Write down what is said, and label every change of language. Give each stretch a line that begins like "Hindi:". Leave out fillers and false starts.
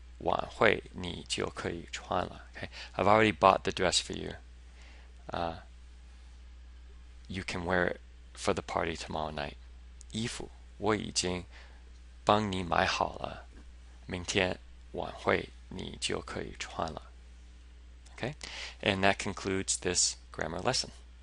Chinese: 晚会你就可以穿了。衣服我已经帮你买好了，明天晚会你就可以穿了。
English: I've already bought the dress for you. You can wear it for the party tomorrow night.
Chinese: 衣服我已经帮你买好了，明天晚会你就可以穿了。
English: Okay, and that concludes this grammar lesson.